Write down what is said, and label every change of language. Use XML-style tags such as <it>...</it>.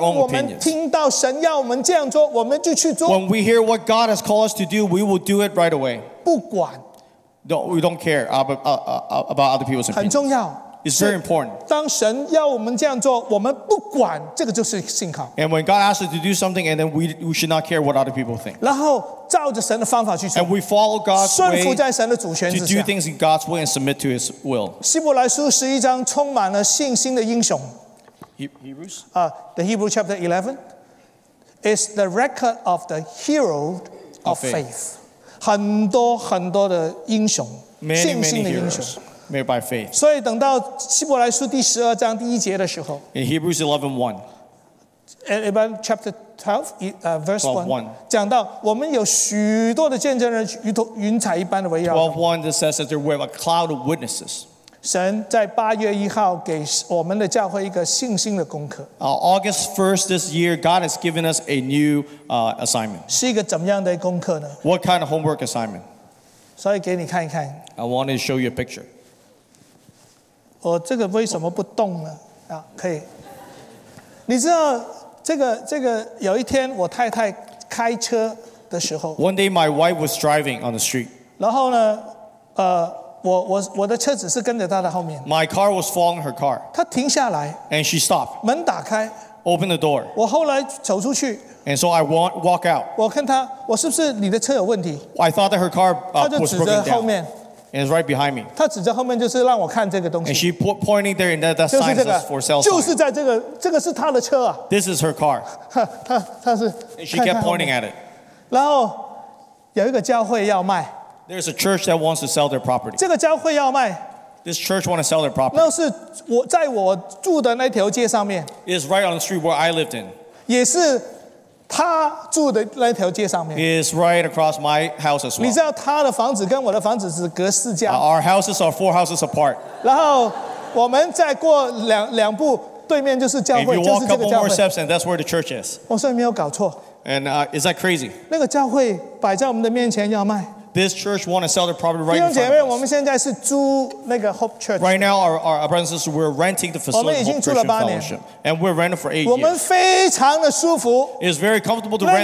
<zh>当我们听到神要我们这样做，我们就去做。</zh> <en>When we hear what God has called us to do, we will do it right away.</en> <zh>不管。</zh> <en>No, we don't care about other people's opinions.</en> <zh>很重要。</zh> <en>It's very important.</en> <zh>当神要我们这样做，我们不管，这个就是信靠。</zh> <en>And when God asks us to do something, and then we should not care what other people think.</en> <zh>然后照着神的方法去做。</zh> <en>And we follow God's way.</en> <zh>顺服在神的主权之下。</zh> <en>To do things in God's way and submit to His will.</en> <zh>希伯来书十一章充满了信心的英雄。</zh> <en>Hebrews. The Hebrew chapter 11 is the record of the hero of faith.</en> <zh>很多很多的英雄，信心的英雄。</zh> <en>Made by faith.</en> <zh>所以等到希伯来书第十二章第一节的时候</zh> <en>，In Hebrews 11:1, Hebrews chapter 12, verse 1,</en> <zh>讲到我们有许多的见证人，如同云彩一般的围绕。</zh> <en>12:1 that says that there were a cloud of witnesses.</en> <zh>神在八月一号给我们的教会一个信心的功课。</zh> <en>August 1st this year, God has given us a new assignment.</en> <zh>是一个怎么样的功课呢</zh> <en>？What kind of homework assignment?</en> <zh>所以给你看一看。</zh> <en>I want to show you a picture.</en> <zh>我这个为什么不动呢？啊，可以。你知道这个有一天我太太开车的时候</zh> <en>，One day my wife was driving on the street。</en> <zh>然后呢，我的车子是跟着她的后面。</zh> <en>My car was following her car。</en> <zh>她停下来</zh> <en>，And she stopped。</en> <zh>门打开</zh> <en>，Open the door。</en> <zh>我后来走出去</zh> <en>，And so I walk out。</en> <zh>我看她，我是不是你的车有问题</zh> <en>？I thought that her car was broken down。</en> <zh>她就指着后面</zh> <en>and it's right behind me.</en> <zh>他指着后面就是让我看这个东西。</zh> <en>And she pointing there, and that sign is for sale.</en> <zh>就是在这个，这个是他的车啊。</zh> <en>This is her car.</en> <zh>他是。</zh> <en>And she kept pointing at it.</en> <zh>然后有一个教会要卖。</zh> <en>There's a church that wants to sell their property.</en> <zh>这个教会要卖。</zh> <en>This church wants to sell their property.</en> <zh>那是我在我住的那条街上面。</zh> <en>It's right on the street where I lived in.</en> <zh>也是。他住的那条街上面</zh> <en>is right across my house as well.</en> <zh>你知道他的房子跟我的房子只隔四家。</zh> <en>Our houses are four houses apart.</en> <zh>然后我们再过两步，对面就是教会，就是这个教会。</zh> <en>If you walk a couple more steps, and that's where the church is.</en> <zh>我说没有搞错。</zh> <en>And is that crazy?</en> <zh>那个教会摆在我们的面前要卖。</zh> <en>This church want to sell their property right in front of us.</en> <zh>我们现在是租那个 Hope Church.</zh> <en>Right now, our brothers and sisters, we're renting the facility.</en> <zh>我们已经租了八年。</zh> <en>And we're renting for 8 years.</en> <zh>我们非常的舒服。</zh> <en>It's very comfortable to rent there.</en>